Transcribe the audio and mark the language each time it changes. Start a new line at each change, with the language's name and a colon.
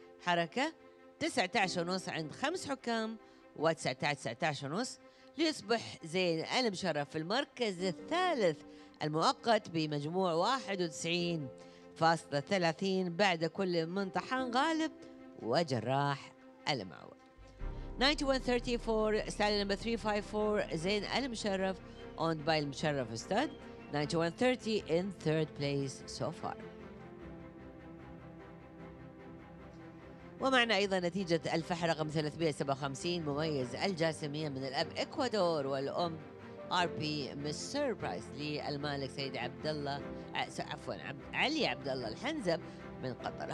Arabic: حركة 19.5 عند خمس حكام و 19 19.5 ليصبح زين المشرف في المركز الثالث المؤقت بمجموع 91.30 بعد كل من طحان غالب وجراح المعول.
English: 9134 ستالي نمبر 354 زين المشرف owned by المشرف استاد 9130 in third place so far.
Arabic: ومعنا أيضا نتيجة الفحر رقم 357 مميز الجاسمية من الأب إكوادور والأم آر بي مس سربرايز للمالك سيد عبد الله علي عبد الله الحنزب من قطر.